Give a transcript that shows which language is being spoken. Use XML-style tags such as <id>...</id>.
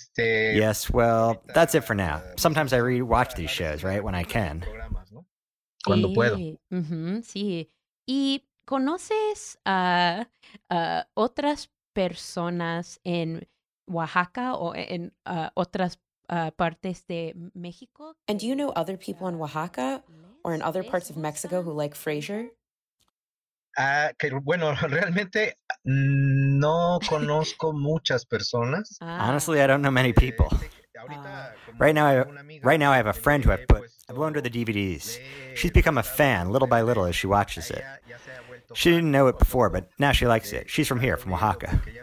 <en>Yes, well, that's it for now. Sometimes I rewatch these shows, right, when I can.</en> <es>Cuando puedo. Sí. ¿Y conoces a otras personas en Oaxaca o en otras partes de México?</es> <en>And do you know other people in Oaxaca or in other parts of Mexico who like Frasier?</en> <es>Que, bueno, realmente no conozco muchas personas.</es> <en>Honestly, I don't know many people. Right now, I have a friend who I've put under the DVDs. She's become a fan little by little as she watches it. She didn't know it before, but now she likes it. She's from here, from Oaxaca.</en>